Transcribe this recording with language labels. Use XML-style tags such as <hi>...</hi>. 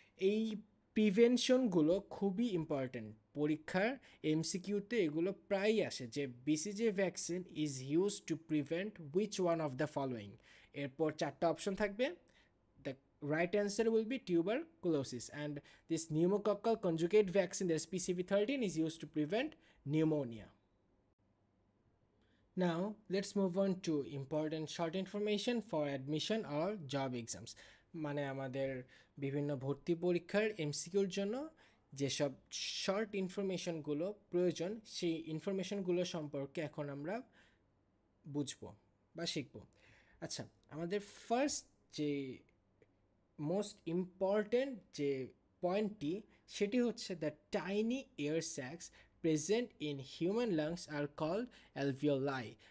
<bn>এই প্রিভেনশনগুলো খুবই ইম্পর্ট্যান্ট, পরীক্ষার MCQ-তে এগুলো প্রায়ই আসে যে</bn> <en>BCG vaccine is use to prevent which one of the following.</en> <bn>এরপর চারটা অপশন থাকবে,</bn> <en>The right answer will be tuberculosis, and this pneumococcal conjugate vaccine that ইজ PCV13 is use to prevent pneumonia. Now, let's move on to important short information for admission or job exams.</en> <bn>মানে আমাদের বিভিন্ন ভর্তি পরীক্ষার MCQ-র জন্য যেসব short ইনফরমেশনগুলো প্রয়োজন, সেই ইনফরমেশনগুলো সম্পর্কে এখন আমরা বুঝব বা শিখব। আচ্ছা, আমাদের ফার্স্ট যে মোস্ট ইম্পর্ট্যান্ট যে পয়েন্টটি, সেটি হচ্ছে</bn> <en>The tiny air sacs present in human lungs are called alveoli.</en>